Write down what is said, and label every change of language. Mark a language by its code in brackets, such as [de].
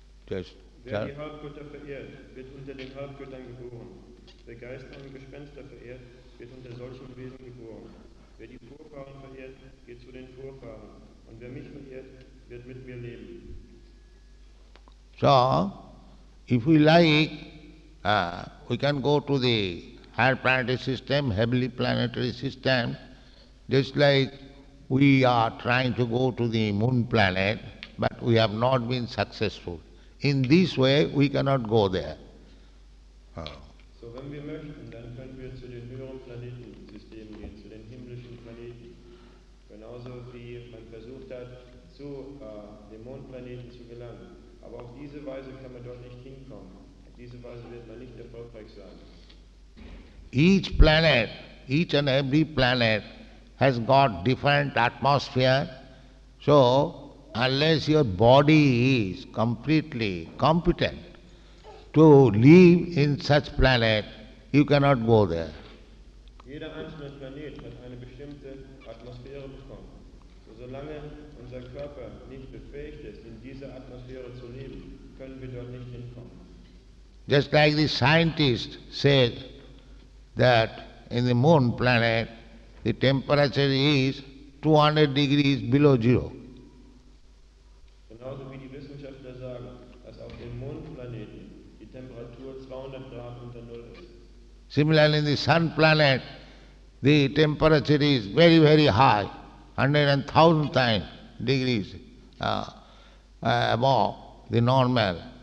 [de] Wer die Halbgötter verehrt, wird unter den Halbgöttern geboren. Wer Geister und Gespenster verehrt, wird unter solchen Wesen geboren. Wer die Vorfahren verehrt, geht zu den Vorfahren. Und wer mich verehrt, wird mit mir leben. [en] So, if we like, we can go to the higher planetary system, heavenly planetary system, just like we are trying to go to the moon planet, but we have not been successful. In this way, we cannot go there. Oh. So when we [de] möchten, dann können wir zu den höheren Planetensystemen gehen, zu den himmlischen Planeten. Genauso wie man versucht hat, zu dem Mondplaneten zu gelangen. Aber auf diese Weise kann man dort nicht hinkommen. Auf diese Weise wird man nicht erfolgreich sein. [en] Each planet, each and every planet has got different atmosphere. So, unless your body is completely competent to live in such planet, you cannot go there. [de] Jeder einzelne Planet hat eine bestimmte Atmosphäre bekommen. So, solange unser Körper nicht befähigt ist, in dieser Atmosphäre zu leben, können wir dort nicht hinkommen. [en] Just like the scientist said that in the moon planet, the temperature is 200 degrees below zero. [de] Genauso wie die Wissenschaftler sagen, dass auf dem Mondplaneten die Temperatur 200 Grad unter Null ist. [en] Similarly in the Sun planet, the temperature is very, very high, 100,000 times degrees above the normal.